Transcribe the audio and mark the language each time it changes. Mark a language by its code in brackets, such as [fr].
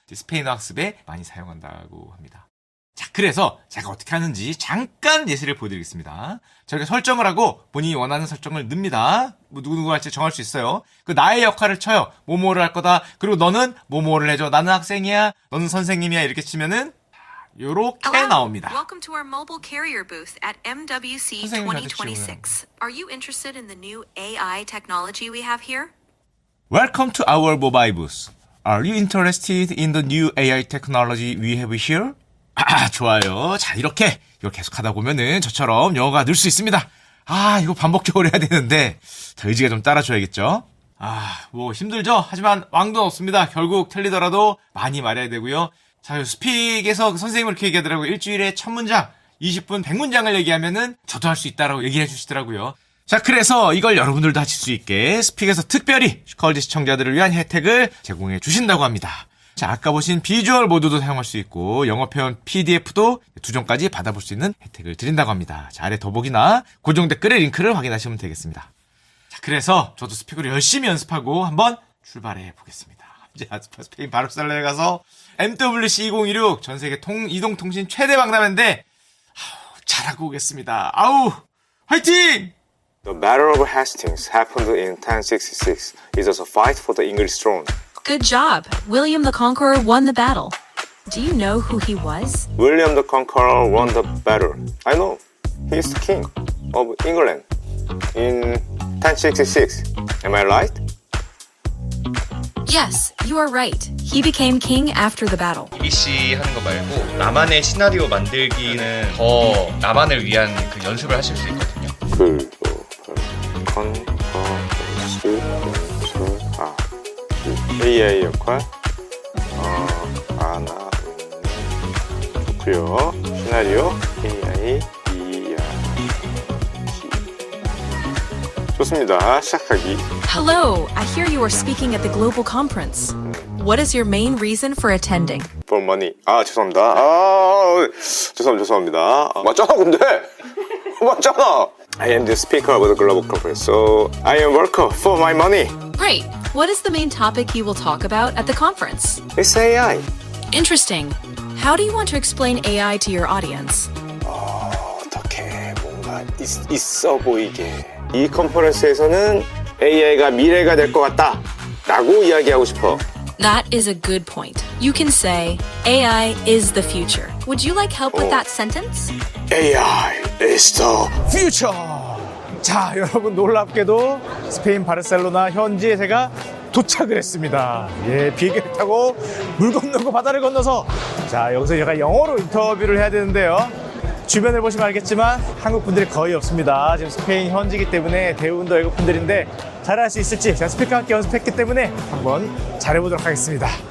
[ko] 스페인어 학습에 많이 사용한다고 합니다. 자, 그래서 제가 어떻게 하는지 잠깐 예시를 보여드리겠습니다. 저희가 설정을 하고 본인이 원하는 설정을 넣습니다. 뭐 누구누구 할지 정할 수 있어요. 그 나의 역할을 쳐요. 뭐뭐를 할 거다. 그리고 너는 뭐뭐를 해줘. 나는 학생이야. 너는 선생님이야. 이렇게 치면은 요렇게 나옵니다. [en] Welcome to our mobile carrier booth at MWC 2026. Are you interested in the new AI technology we have here? Welcome to our mobile booth. Are you interested in the new AI technology we have here? [ko] 아, 좋아요. 자, 이렇게 이거 계속하다 보면은 저처럼 영어가 늘 수 있습니다. 아, 이거 반복적으로 해야 되는데 더 의지가 좀 따라줘야겠죠. 아, 뭐 힘들죠. 하지만 왕도는 없습니다. 결국 틀리더라도 많이 말해야 되고요. 자, 스픽에서 선생님을 이렇게 얘기하더라고요. 일주일에 1000문장, 20분 100문장을 얘기하면은 저도 할 수 있다라고 얘기해 주시더라고요. 자, 그래서 이걸 여러분들도 하실 수 있게 스픽에서 특별히 슈카월드 시청자들을 위한 혜택을 제공해 주신다고 합니다. 자, 아까 보신 비주얼 모드도 사용할 수 있고 영어 표현 PDF도 두 종까지 받아볼 수 있는 혜택을 드린다고 합니다. 자, 아래 더보기나 고정 댓글의 링크를 확인하시면 되겠습니다. 자, 그래서 저도 스픽으로 열심히 연습하고 한번 출발해 보겠습니다. 이제 스페인 바르셀로나에 가서 MWC2026 전세계 이동통신 최대 박람회인데 잘하고 오겠습니다. 아우, 화이팅! [en] The Battle of Hastings happened in 1066. It was a fight for the English throne. Good job. William the Conqueror won the battle. Do you know who he was? William the Conqueror won the battle. I know. He's the king of England in 1066. Am I right? Yes, you are right. He became king after the battle. [ko] EBC 하는 거 말고 나만의 시나리오 만들기는 더 나만을 위한 그 연습을 하실 수 있거든요. 그리고 한 번씩 아 AI 역할 하나 좋고요. 시나리오 AI 좋습니다. 시작하기. [en] Hello, I hear you are speaking at the global conference. What is your main reason for attending? For money. [ko] 아, 죄송합니다. 아, 죄송합니다. 아, 맞잖아, 근데. 맞잖아. [en] I am the speaker of the global conference, so I am worker for my money. Great. What is the main topic you will talk about at the conference? It's AI. Interesting. How do you want to explain AI to your audience? [ko] 어떻게 뭔가 있어 보이게. 이 컨퍼런스에서는 AI가 미래가 될 것 같다 라고 이야기하고 싶어. [en] That is a good point. You can say AI is the future. Would you like help with that sentence? AI is the future. [ko] 자, 여러분 놀랍게도 스페인 바르셀로나 현지에 제가 도착을 했습니다. 예, 비행기를 타고 물 건너고 바다를 건너서 자, 여기서 제가 영어로 인터뷰를 해야 되는데요. 주변을 보시면 알겠지만 한국 분들이 거의 없습니다. 지금 스페인 현지이기 때문에 대부분도 외국 분들인데 잘할 수 있을지 제가 스피커 함께 연습했기 때문에 한번 잘해보도록 하겠습니다.